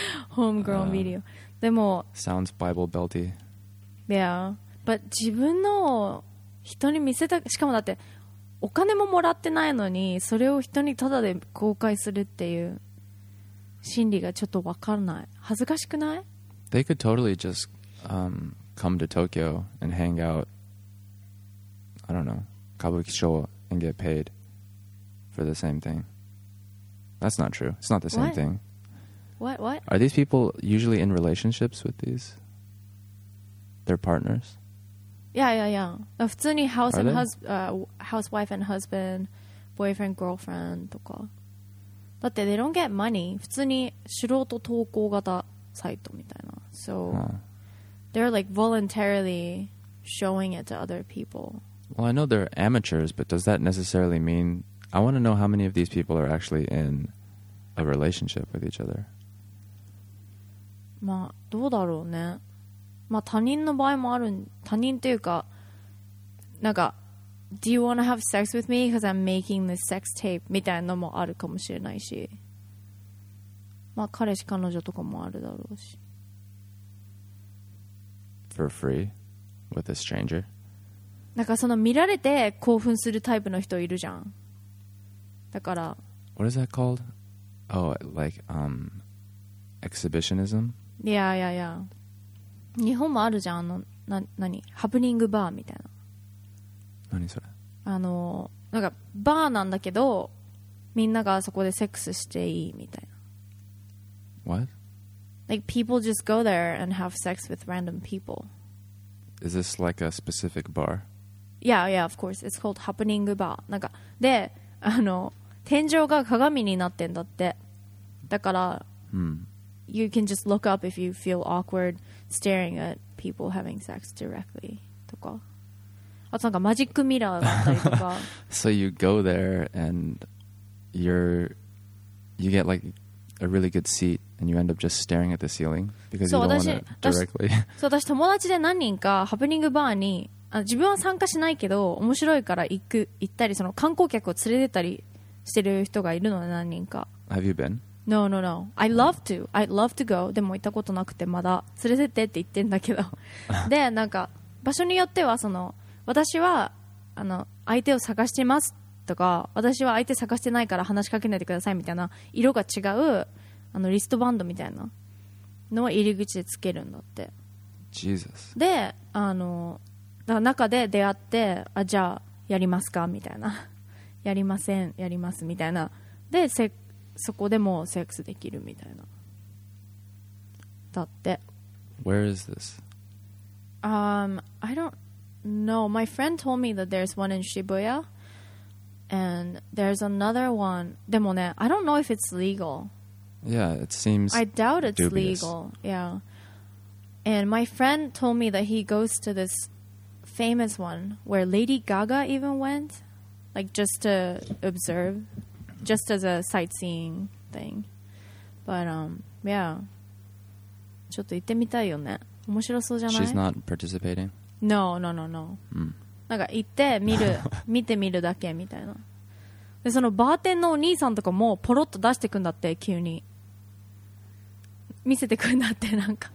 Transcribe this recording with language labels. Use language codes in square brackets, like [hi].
[ja] Homegrown video。 でも。 [en] Sounds Bible belty. Yeah, but [ja] 自分の人に見せた、しかもだって、お金ももらってないのにそれを人にただで公開するっていう心理がちょっと分からない。恥ずかしくない？ [en] They could totally just come to Tokyo and hang out, I don't know, Kabukicho and get paid for the same thing. That's not true. It's not the same thing. What? Are these people usually in relationships with these? Their partners? Yeah. [ja] 普通に [en] house and housewife and husband, boyfriend, girlfriend [ja] とか。だって [en] they don't get money. [ja] 普通に素人投稿型サイトみたいな。 [en] So, they're like voluntarily showing it to other people. Well, I know they're amateurs, but does that necessarily mean... I want to know how many of these people are actually in a relationship with each other. [ja] まあどうだろうね。まあ他人の場合もある、他人というか、なんか [en] Do you wanna have sex with me? Because I'm making this sex tape [ja] みたいなのもあるかもしれないし、まあ彼氏彼女とかもあるだろうし。 [en] For free? With a stranger? [ja] なんかその見られて興奮するタイプの人いるじゃん。だから [en] What is that called? Oh, like, exhibitionism? Yeah, yeah, yeah. [ja] 日本もあるじゃん、あの、な、何？ハプニングバーみたいな。何それ？あの、なんかバーなんだけど、みんながそこでセックスしていいみたいな。 [en] What? Like, people just go there and have sex with random people. Is this like a specific bar? Yeah, yeah, of course. It's called Happening Bar. [ja] なんか、で、あの、天井が鏡になってんだって。だから、 hmm. [en] You can just look up if you feel awkward staring at people having sex directly. [ja] とか。あとなんかマジックミラーだったりとか。 [en] So you go there and you get like a really good seat and you end up just staring at the ceiling because you don't want it directly. [ja] そう、私友達で何人かHappening Barに自分は参加しないけど面白いから行ったりその観光客を連れてたりしてる人がいるのね何人か [en] Have you been? No, no, no I'd love to go [ja] でも行ったことなくてまだ連れてってって言ってんだけどでなんか場所によってはその私はあの相手を探してますとか私は相手探してないから話しかけないでくださいみたいな色が違うあのリストバンドみたいなのを入り口でつけるんだって [en] Jesus [ja] であのだから中で出会ってあじゃあやりますかみたいなやりませんやりますみたいなでそこでもセックスできるみたいなだって [en] Where is this? I don't know My friend told me that there's one in Shibuya And there's another one [ja] でもね [en] I don't know if it's legal Yeah, it seems I doubt it's、 dubious. legal Yeah And my friend told me that he goes to thisfamous one where Lady Gaga even went like just to observe just as a sightseeing thing but yeah [ja] ちょっと行ってみたいよね面白そうじゃない [en] She's not participating? No、mm. [ja] なんか行って見る見てみるだけみたいなでそのバーテンのお兄さんとかもポロッと出してくんだって急に見せてくんだってなんか